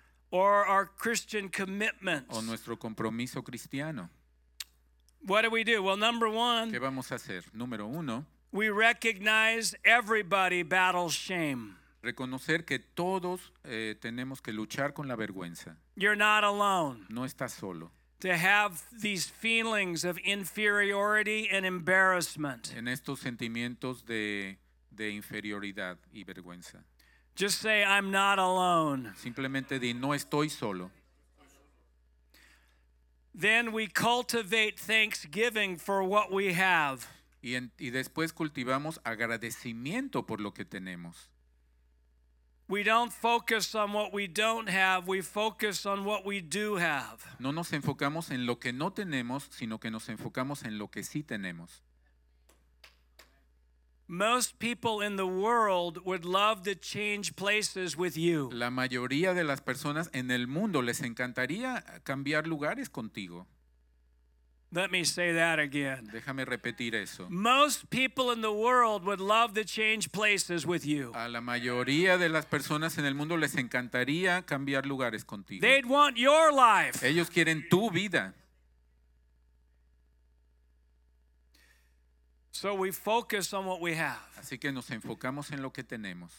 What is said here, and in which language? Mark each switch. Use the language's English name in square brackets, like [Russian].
[English] or our Christian commitments. [Spanish] O nuestro compromiso cristiano. [English] What do we do? Well, number one, [Spanish] ¿qué vamos a hacer? Número uno, [English] we recognize everybody battles shame. [Spanish] Reconocer que todos tenemos que luchar con la vergüenza. [English] You're not alone. [Spanish] No estás solo. [English] To have these feelings of inferiority and embarrassment. [Spanish] En estos sentimientos de inferioridad y vergüenza. [English] Just say, I'm not alone. [Spanish] Simplemente di, no estoy solo. [English] Then we cultivate thanksgiving for what we have. [Spanish] Y después cultivamos agradecimiento por lo que tenemos. [English] We don't focus on what we don't have, we focus on what we do have. [Spanish] No nos enfocamos en lo que no tenemos, sino que nos enfocamos en lo que sí tenemos. [English] Most people in the world would love to change places with you. [Spanish] La mayoría de las personas en el mundo les encantaría cambiar lugares contigo. [English] Let me say that again. [Spanish] Déjame repetir eso. [English] Most people in the world would love to change places with you. [Spanish] A la mayoría de las personas en el mundo les encantaría cambiar lugares contigo. [English] They'd want your life. [Spanish] Ellos quieren tu vida. [English] So we focus on what we have. [Spanish] Así que nos enfocamos en lo que tenemos.